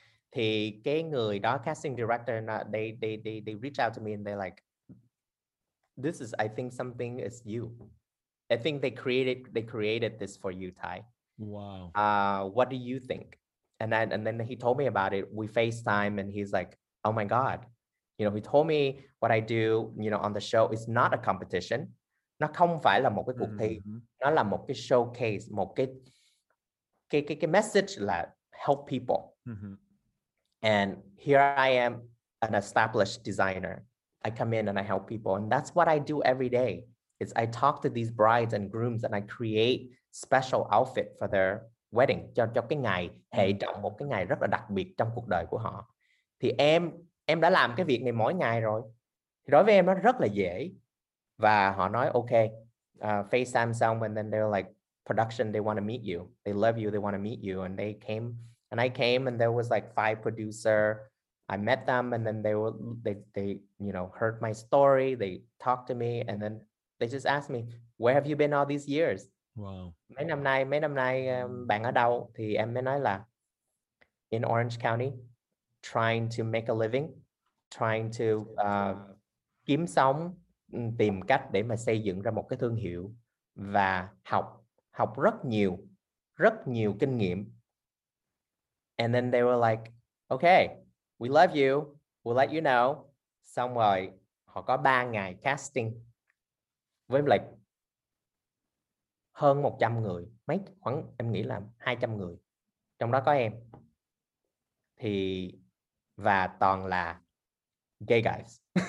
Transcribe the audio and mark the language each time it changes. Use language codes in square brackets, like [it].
[vi] Thì cái người đó, [en] casting director, they reach out to me and they're like, this is, I think something is you. I think they created this for you, Ty. Wow. What do you think? And then he told me about it. We FaceTime and he's like, oh my God. You know, he told me what I do, you know, on the show is not a competition. [vi] Nó không phải là một cái cuộc thi, nó là một cái showcase, một cái message là [en] help people. And here I am, an established designer. I come in and I help people. And that's what I do every day. It's I talk to these brides and grooms and I create special outfit for their wedding. [vi] Cho cái ngày hệ trọng, một cái ngày rất là đặc biệt trong cuộc đời của họ. Thì em đã làm cái việc này mỗi ngày rồi. Thì đối với em nó rất là dễ. Và họ nói ok, [en] FaceTime someone and then they're like, production, they want to meet you. They love you, they want to meet you. And they came, and I came and there was like 5 producer. I met them and then they you know, heard my story. They talked to me and then they just asked me, where have you been all these years? Wow. [vi] Mấy năm nay bạn ở đâu? Thì em mới nói là [en] in Orange County, trying to make a living, trying to [vi] kiếm sống, tìm cách để mà xây dựng ra một cái thương hiệu và học rất nhiều kinh nghiệm. [en] And then they were like, okay, we love you, we'll let you know. [vi] Xong rồi họ có 3 ngày casting với like hơn 100 người, mấy khoảng em nghĩ là 200 người. Trong đó có em. Thì và toàn là gay guys.